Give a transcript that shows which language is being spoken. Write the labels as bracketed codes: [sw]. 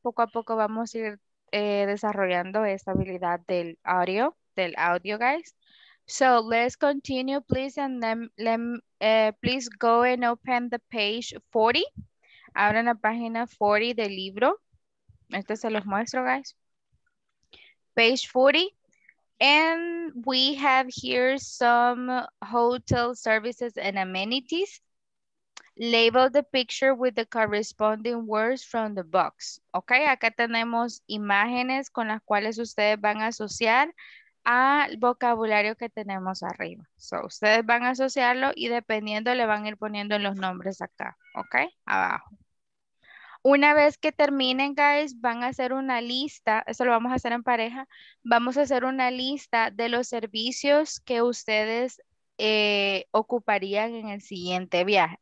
[es] Poco a poco vamos a ir desarrollando esta habilidad del audio, guys. [en] So let's continue, please, and then please go and open the page 40. [es] Abran la página 40 del libro. Este se los muestro, guys. [en] Page 40. And we have here some hotel services and amenities. Label the picture with the corresponding words from the box. [es] Okay, acá tenemos imágenes con las cuales ustedes van a asociar al vocabulario que tenemos arriba. So, ustedes van a asociarlo y dependiendo le van a ir poniendo los nombres acá, ¿ok? Abajo. Una vez que terminen, guys, van a hacer una lista, eso lo vamos a hacer en pareja, vamos a hacer una lista de los servicios que ustedes ocuparían en el siguiente viaje.